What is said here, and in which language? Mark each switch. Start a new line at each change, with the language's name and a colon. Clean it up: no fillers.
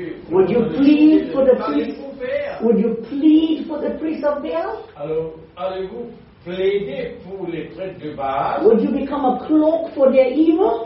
English: Would you plead for the priest? Would you plead for the priest of Baal?
French: Allez-vous plaider pour les prêtres de Baal?
English: Would you become a cloak for their evil?